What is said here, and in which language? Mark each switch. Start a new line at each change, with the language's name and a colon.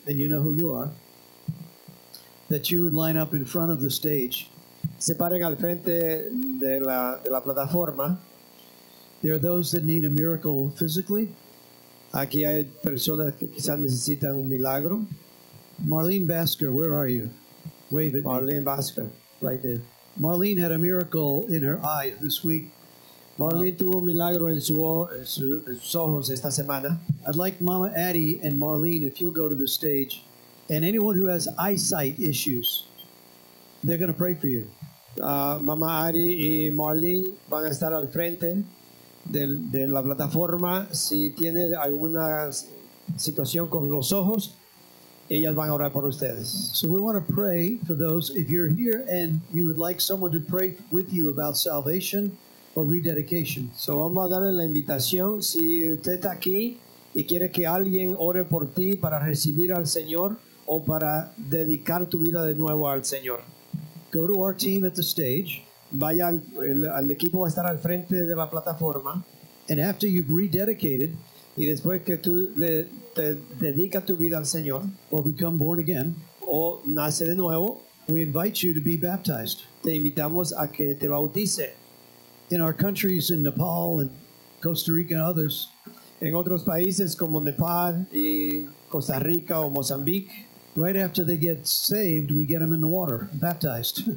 English: And you know who you are. That you would line up in front of the stage.
Spanish: Se paren al frente de la plataforma.
English: There are those that need a miracle physically.
Spanish: Aquí hay personas que quizás necesitan un milagro.
English: Marlene Basker, where are you? Wave at Marlene me. Basker, right there. Marlene had a miracle in her eye this week.
Spanish: Marlene tuvo un milagro en sus ojos esta semana.
English: I'd like Mama Addie and Marlene, if you'll go to the stage, and anyone who has eyesight issues, they're going to pray for you.
Spanish: Mama Ari y Marlene van a estar al frente de la plataforma. Si tiene alguna situación con los ojos, ellas van a orar por ustedes.
English: So we want to pray for those. If you're here and you would like someone to pray with you about salvation or rededication.
Spanish: So vamos a darle la invitación. Si usted está aquí y quiere que alguien ore por ti para recibir al Señor o para dedicar tu vida de nuevo al Señor.
English: Go to our team at the stage.
Spanish: Vaya al equipo, va a estar al frente de la plataforma.
English: And after you've rededicated,
Spanish: y después que tú te dedicas tu vida al Señor,
English: or become born again,
Spanish: o nace de nuevo,
English: we invite you to be baptized.
Spanish: Te invitamos a que te bautice.
English: In our countries, in Nepal and Costa Rica and others,
Spanish: en otros países como Nepal y Costa Rica o Mozambique.
English: Right after they get saved, we get them in the water, baptized.